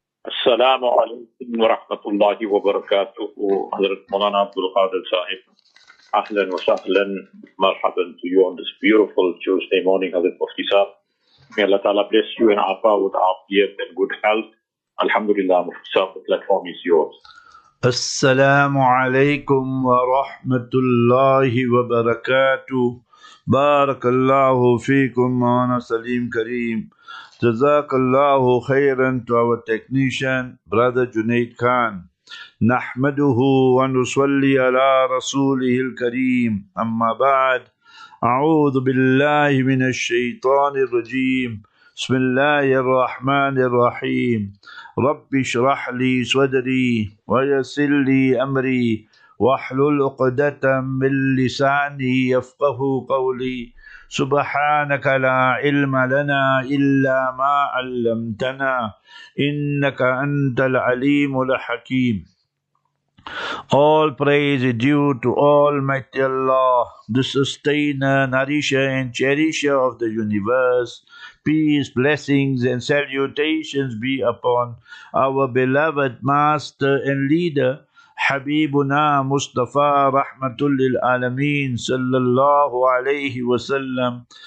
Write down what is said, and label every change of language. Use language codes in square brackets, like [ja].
[ar] السلام عليكم ورحمة الله وبركاته. حضرة مولانا عبد القادر صاحب، أهلا وسهلا، مرحبا [en] to you on this beautiful Tuesday morning. [ar] حضرة مفتي صاحب، [en] may Allah Ta'ala bless you and Afa with afiyat and good health. [ar] الحمد لله مفتي صاحب, [en] the platform is yours. [ar] السلام عليكم ورحمة الله وبركاته. بارك الله فيكم مولانا سليم كريم. جزاك الله خيرا [en] to our technician brother Junaid Khan. [ar] نحمده ونصلي على رسوله الكريم. أما بعد، أعوذ بالله من الشيطان الرجيم. بسم الله الرحمن الرحيم. رب اشرح لي صدري ويسر لي أمري واحلل عقدة من لساني يفقه قولي. سبحانك لا علم لنا إلا ما علمتنا إنك أنت العليم الحكيم. [en] All praise is due to Almighty Allah, the sustainer, nourisher and cherisher of the universe. Peace, blessings and salutations be upon our beloved master and leader Habibuna Mustafa Rahmatul Lil Alameen Sallallahu Alaihi Wasallam.